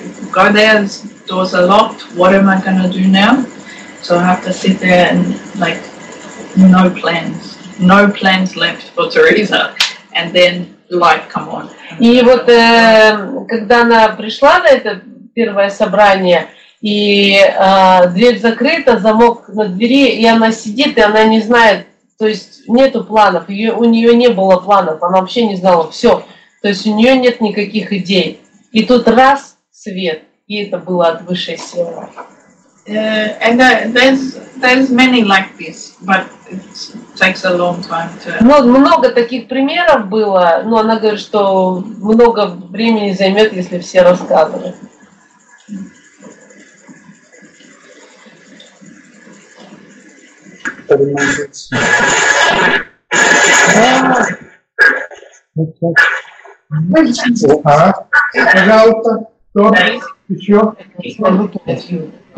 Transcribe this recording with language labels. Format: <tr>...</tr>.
<en>Go there, doors are locked, what am I going to do now? So I have to sit there and like, no plans left for Teresa. And then light come on.</en> <ru>И вот когда она пришла на это первое собрание, и дверь закрыта, замок на двери, и она сидит, и она не знает, то есть нету планов, у нее не было планов, она вообще не знала, все. То есть у нее нет никаких идей. И тут раз свет, и это было от высшей силы. And there's many like this, but it takes a long time to. Ну, много таких примеров было, но она говорит, что много времени займет, если все рассказывают. Пожалуйста, кто еще?</ru>